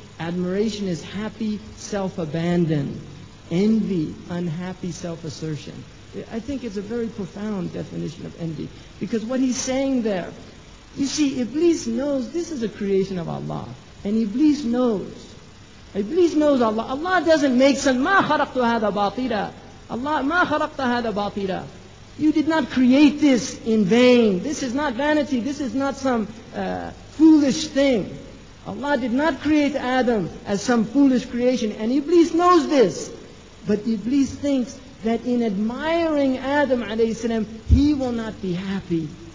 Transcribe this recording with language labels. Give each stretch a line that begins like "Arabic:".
English: Admiration is happy self-abandon. Envy, unhappy self-assertion. I think it's a very profound definition of envy, because what he's saying there, you see, Iblis knows this is a creation of Allah, and Iblis knows. Iblis knows Allah. Allah doesn't make sense.
Arabic: مَا خَرَقْتُ هَذَا بَاطِلًا. Allah, مَا خَرَقْتَ هَذَا بَاطِلًا.
English: You did not create this in vain. This is not vanity. This is not some foolish thing. Allah did not create Adam as some foolish creation. And Iblis knows this. But Iblis thinks that in admiring Adam, alayhi salam, he will not be happy.